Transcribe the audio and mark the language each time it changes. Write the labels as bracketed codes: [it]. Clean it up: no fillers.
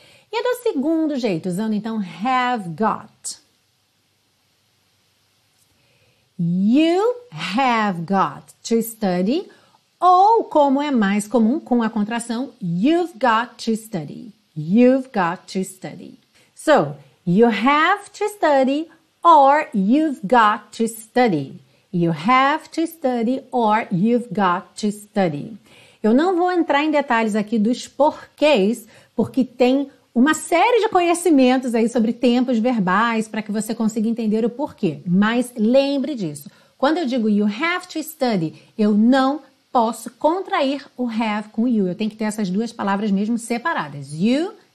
[pt] E é do segundo jeito, usando então have got. [en] You have got to study. [pt] Ou, como é mais comum com a contração, [en] you've got to study. You've got to study. So, you have to study or you've got to study. You have to study or you've got to study. [pt] Eu não vou entrar em detalhes aqui dos porquês, porque tem uma série de conhecimentos aí sobre tempos verbais para que você consiga entender o porquê. Mas lembre disso. Quando eu digo [en] you have to study, [pt] eu não posso contrair o have com you. Eu tenho que ter essas duas palavras mesmo separadas. You